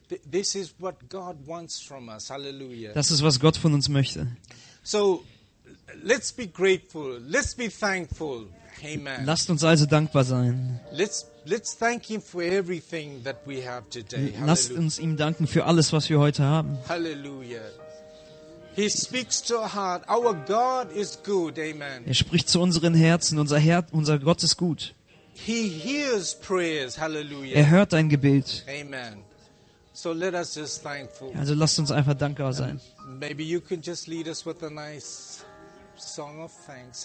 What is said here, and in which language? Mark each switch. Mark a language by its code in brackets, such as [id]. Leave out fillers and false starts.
[en] This is what God wants from us. Hallelujah. [de] Das ist, was Gott von uns möchte. [en] So let's be grateful. Let's be thankful. Amen. [de] Lasst uns also dankbar sein. [en] Let's thank him for everything that we have today. [de] Lasst uns ihm danken für alles, was wir heute haben. [en] Hallelujah. He speaks to our heart. Our God is good. Amen. [de] Er spricht zu unseren Herzen. Unser Herz, unser Gott ist gut. [en] He hears prayers. Hallelujah. [de] Er hört dein Gebet. [en] Amen. So let us just thankful. [de] Also lasst uns einfach dankbar sein. [en] And maybe you can just lead us with a nice song of thanks.